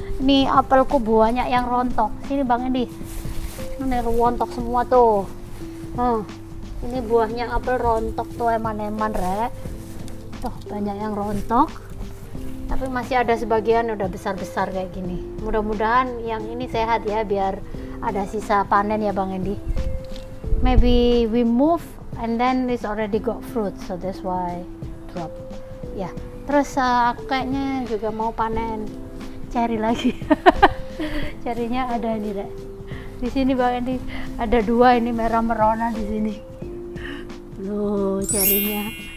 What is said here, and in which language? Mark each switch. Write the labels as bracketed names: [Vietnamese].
[Indonesian] Ini apelku buahnya yang rontok. Sini Bang Endi. Ini rontok semua tuh. Ini buahnya apel rontok tuh, [Javanese] eman-eman Rek. [Indonesian] Tuh banyak yang rontok. Tapi masih ada sebagian udah besar-besar kayak gini. Mudah-mudahan yang ini sehat ya, biar ada sisa panen ya Bang Endi. [English] Maybe we move and then it's already got fruit, so that's why drop. [Indonesian] Ya. Terus aku kayaknya juga mau panen cherry lagi. Cherry-nya ada ini Rek. Di sini Bang Endi ada dua ini merah merona di sini. Loh, cherry-nya.